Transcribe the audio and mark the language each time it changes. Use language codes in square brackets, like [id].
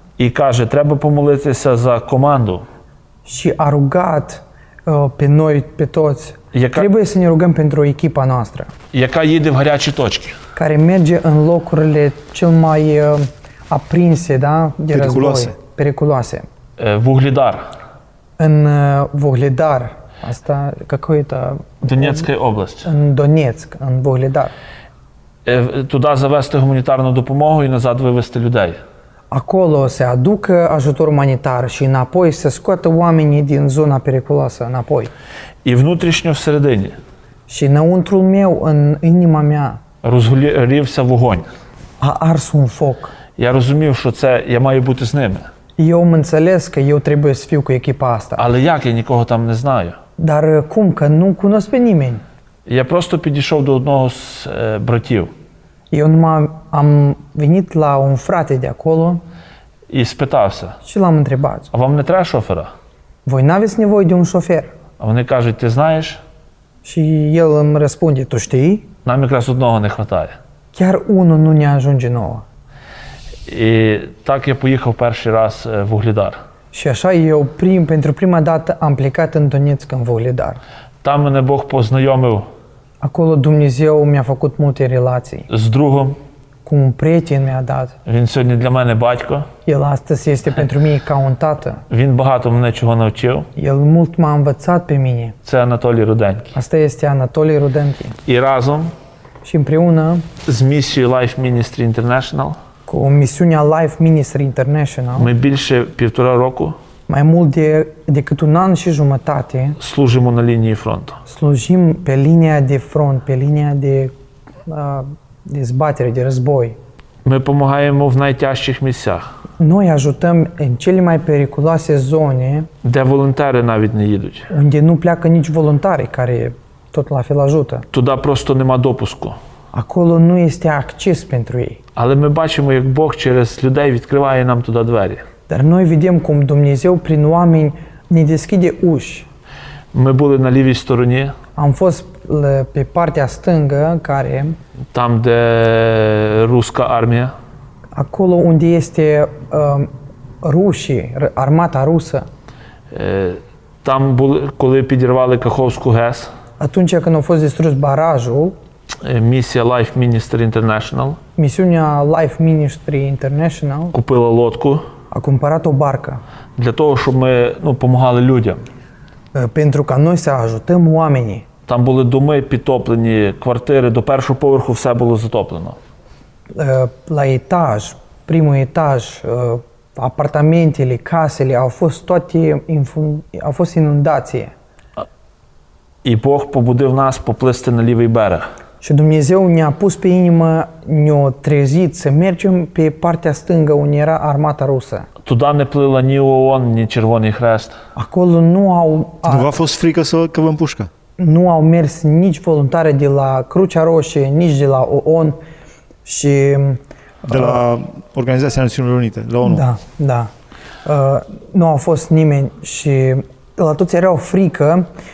[uk] І каже, треба помолитися за команду. [ro] Și a rugat pe noi, pe toți. Trebuie să ne rugăm pentru echipa noastră. [uk] Яка їде в гарячі точки. [ro] Care merge în locurile cel mai aprinse, da, de Periculoase. Război. Periculoase. [uk] Вугледар. [ro] În Вугледар. Asta, [ru] какой-то... [uk] Донецька область. [ro] În Донецк, în Вугледар. [uk] Туда завести гуманітарну допомогу і назад вивести людей. [ro] Acolo se aducă ajutor umanitar și înapoi se scoată oamenii din zona periculoasă înapoi. [uk] І внутрішньо всередині. [ro] Și înăuntrul meu, în inima mea. [uk] Розгорівся вогонь. [ro] A ars un foc. [uk] Я розумів, що це я маю бути з ними. І я [ro] înțeles că eu trebuie să fiu cu echipa asta. [uk] Але як я нікого там не знаю? [ro] Dar cum că nu cunosc pe nimeni? [uk] Я просто підійшов до одного з братів. І он [ro] am venit la un frate de acolo. [uk] І спитався. [ro] Și l-am întrebat. [uk] А вам не треба шофера? [ro] Voi n-aveți nevoie de un șofer? [uk] А вони кажуть, ти знаєш? [ro] Și el îmi răspunde, tu știi? [uk] Нам якраз одного не хватає. [ro] Chiar unul nu ne ajunge nouă. [uk] І так я поїхав перший раз в Вугледар. [ro] Și așa eu pentru prima dată am plecat în Donetsk, în Вугледар. [uk] Там мене Бог познайомив. [ro] Acolo Dumnezeu mi-a făcut multe relații. [uk] З другом. [ro] Cu un prieten mi-a dat. [uk] Він сьогодні для мене батько. [ro] El astăzi este pentru mine ca un tată. [uk] Він багато мене чого навчив. [ro] El mult m-a învățat pe mine. [uk] Це Анатолій Руденкий. [ro] Asta este Anatolii Rudenki. [uk] І разом. [ro] Și împreună. [uk] З місією Life Ministry International. [ro] Cu misiunea Life Ministry International. [uk] Ми більше півтора року. [ro] Mai mult decât un an și jumătate. Slujim [uk] на лінії фронту. [ro] Slujim pe linia de front, pe linia de de zbatere, de război. [uk] Ми допомагаємо в найтяжчих місцях. [ro] Noi ajutăm în cele mai periculoase zone. [uk] Де волонтери навіть не їдуть. [ro] Unde nu pleacă nici voluntari care tot la fel ajută. [uk] Туда просто нема допуску. [ro] Acolo nu este acces pentru ei. [uk] Але ми бачимо, як Бог через людей відкриває нам туди двері. [ro] Dar noi vedem cum Dumnezeu prin oameni ne deschide uși. [uk] Ми були на лівій стороні. [ro] Am fost pe partea stângă, care... [uk] Там, де руска армія. [ro] Acolo unde este rușii, armata rusă. [uk] Там, коли підірвали Каховську ГЕС. [ro] Atunci când a fost distrus barajul. [uk] Місія Life Ministry International. [ro] Misiunea Life Ministry International. [uk] Купила лодку. [ro] A cumpărat o barcă. [uk] Для того, щоб ми, ну, помогали людям. [ro] Pentru ca noi să ajutăm oamenii. [uk] Там були доми підтоплені, квартири, до першого поверху все було затоплено. [ro] La etaj, primul etaj, apartamentele, casele, au fost toate au fost inundații. [uk] І Бог побудив нас поплисти на лівий берег. [ro] Și Dumnezeu ne-a pus pe inimă, ne-a trezit să mergem pe partea stângă unde era armata rusă. [uk] Туда не плила ні ООН, ні Червоний Хрест. [ro] Acolo nu au... Nu a fost frică să căvăm pușcă. Nu au mers nici voluntari de la Crucea Roșie, nici de la ООН și... De la Organizația Națiunilor Unite, la ONU. Da, da. Nu au fost nimeni și la toți era o frică.